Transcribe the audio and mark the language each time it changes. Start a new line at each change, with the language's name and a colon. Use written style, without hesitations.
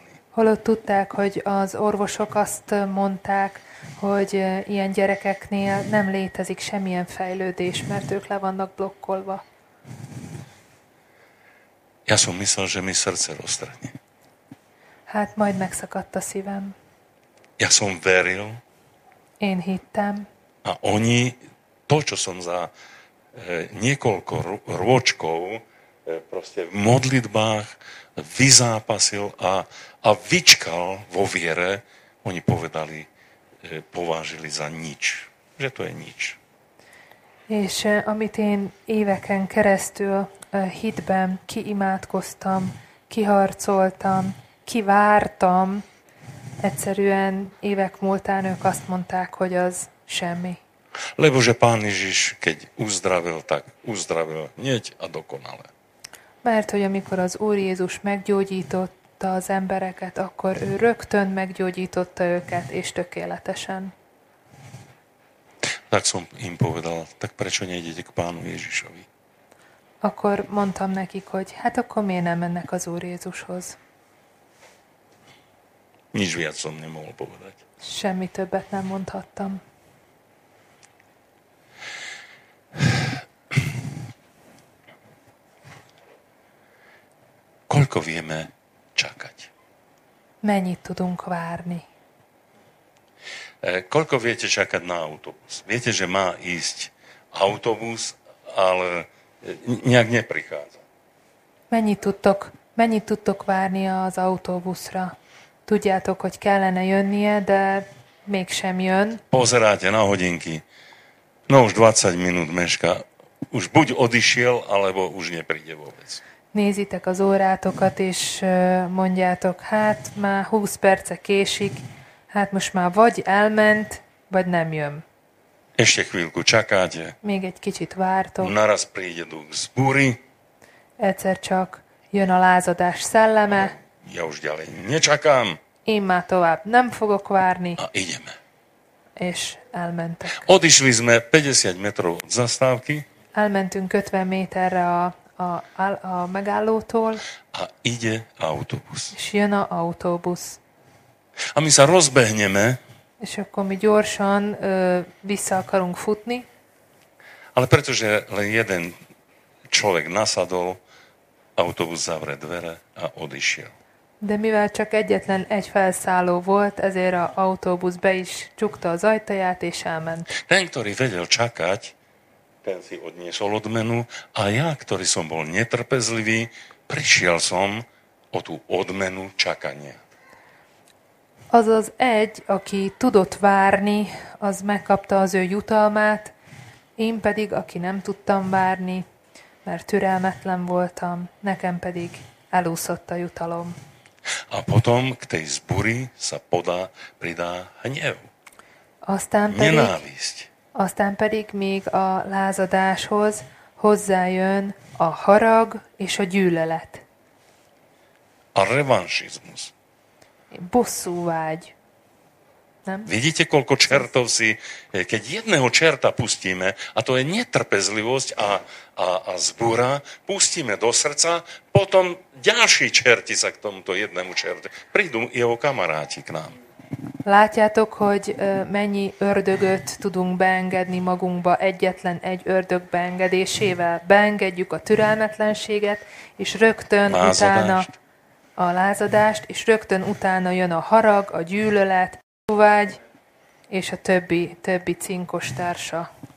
Hungarian: Holott tudták, hogy az orvosok azt mondták, hogy ilyen gyerekeknél nem létezik semmilyen fejlődés, mert ők le vannak blokkolva.
Slovak: Ja som myslel, že mi srdce roztrhne.
Hungarian: Hát majd megszakadt a szívem.
Slovak: Ja som veril.
Hungarian: Én hittem.
Slovak: A oni to, čo som za niekoľko rôčkov proste v modlitbách vyzápasil a vyčkal vo viere, oni povedali, povážili za nič. Že to je nič.
Hungarian: És amit én éveken keresztül hitben kiimádkoztam, kiharcoltam, kivártam, egyszerűen évek múltán ők azt mondták, hogy az semmi.
Slovak: Lebo že Pán Ježiš, keď uzdravil, tak uzdravil hneď a dokonale.
Hungarian: Mert hogy amikor az Úr Jézus meggyógyította az embereket, akkor ő rögtön meggyógyította őket, és tökéletesen.
Slovak: Tak som im povedal, tak prečo nejdete k Pánu Ježišovi?
Hungarian: Akkor mondtam nekik, hogy hát akkor miért nem mennek az Úr Jézushoz?
Slovak: Nič viac som nemohol povedať.
Hungarian: Semmi többet nem mondhattam.
Slovak: Koľko vieme čakať?
Hungarian: Mennyit tudunk várni?
Slovak: Koľko viete čakať na autobus? Viete, že má ísť autobus, ale nejak neprichádza.
Hungarian: Mennyit tudtok várni az autóbuszra? Tudjátok, hogy kellene jönnie, de mégsem jön.
Slovak: Pozeráte na hodinky. No už 20 minút meška. Už buď odišiel, alebo už nepríde vôbec.
Hungarian: Nézitek az órátokat, és mondjátok, hát már 20 perce késik, hát most már vagy elment, vagy nem jön.
Slovak: Ešte chvíľku čakáte.
Hungarian: Még egy kicsit vártok.
Slovak: Naraz príde duch z búry.
Hungarian: Egyszer csak jön a lázadás szelleme.
Slovak: Ja už ďalej nečakám.
Hungarian: Én már tovább nem fogok várni.
Slovak: A ideme.
Hungarian: És elmentek.
Slovak: Odišli sme 50 metrov od zastávky.
Hungarian: Elmentünk 50 méterre a megállótól.
Slovak: A ide autóbusz.
Hungarian: És jön a autóbusz.
Slovak: A mi sa rozbehneme.
Hungarian: És akkor mi gyorsan vissza akarunk futni.
Slovak: Ale pretože len jeden človek nasadol, autóbusz zavre dvere a odišiel.
Hungarian: De mivel csak egyetlen egy felszálló volt, ezért a autóbusz be is csukta az ajtaját és elment.
Slovak: Ten, ktorý vedel čakať, ten si odniesol odmenu a ja, ktorý som bol netrpezlivý, prišiel som o tú odmenu čakania.
Hungarian: Azaz egy, aki tudott várni, az megkapta az ő jutalmát, én pedig, aki nem tudtam várni, mert türelmetlen voltam, nekem pedig elúszott a jutalom.
Slovak: A potom k tej zbúri sa pridá hnev. Nenávisť.
Hungarian: Aztán pedig még a lázadáshoz hozzájön a harag és a gyűlölet.
Slovak: A revanšizmus.
Hungarian: Bosszúvágy.
Slovak: Vidíte, koľko čertov si, keď jedného čerta pustíme, a to je netrpezlivosť a zbúra, pustíme do srdca, potom ďalší čerti sa k tomuto jednému čertu, prídu jeho kamaráti k nám.
Hungarian: Látjátok, hogy mennyi ördögöt tudunk beengedni magunkba egyetlen egy ördög beengedésével. Beengedjük a türelmetlenséget, és rögtön lázadást. Utána a lázadást, és rögtön utána jön a harag, a gyűlölet, a vágy, és a többi cinkos társa.